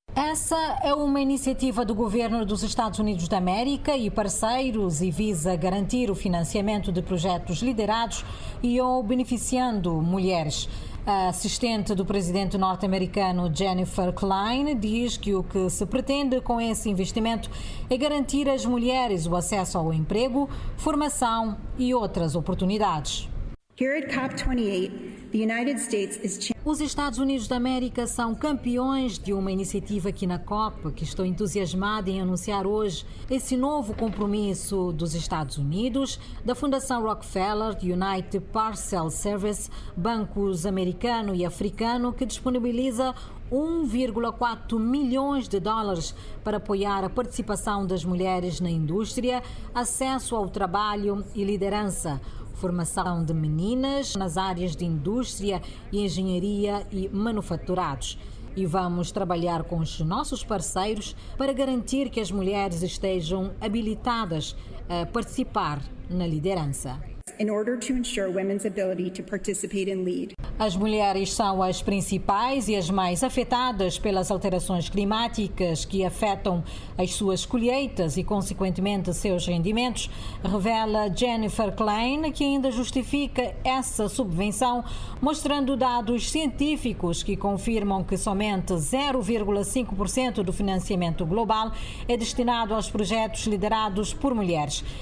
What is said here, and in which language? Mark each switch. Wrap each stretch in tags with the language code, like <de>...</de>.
<pt>Essa é uma iniciativa do governo dos Estados Unidos da América e parceiros e visa garantir o financiamento de projetos liderados e ou beneficiando mulheres. A assistente do presidente norte-americano Jennifer Klein diz que o que se pretende com esse investimento é garantir às mulheres o acesso ao emprego, formação e outras oportunidades.</pt> <en>Here at COP28, the United States is...</en> <pt>Os Estados Unidos da América são campeões de uma iniciativa aqui na COP, que estou entusiasmada em anunciar hoje esse novo compromisso dos Estados Unidos, da Fundação Rockefeller, United Parcel Service, bancos americano e africano, que disponibiliza 1,4 milhões de dólares para apoiar a participação das mulheres na indústria, acesso ao trabalho e liderança. Formação de meninas nas áreas de indústria, engenharia e manufaturados. E vamos trabalhar com os nossos parceiros para garantir que as mulheres estejam habilitadas a participar na liderança.</pt> <en>In order to ensure women's ability to participate and lead.</en> <pt>As mulheres são as principais e as mais afetadas pelas alterações climáticas que afetam as suas colheitas e, consequentemente, seus rendimentos, revela Jennifer Klein, que ainda justifica essa subvenção, mostrando dados científicos que confirmam que somente 0,5% do financiamento global é destinado aos projetos liderados por mulheres.</pt>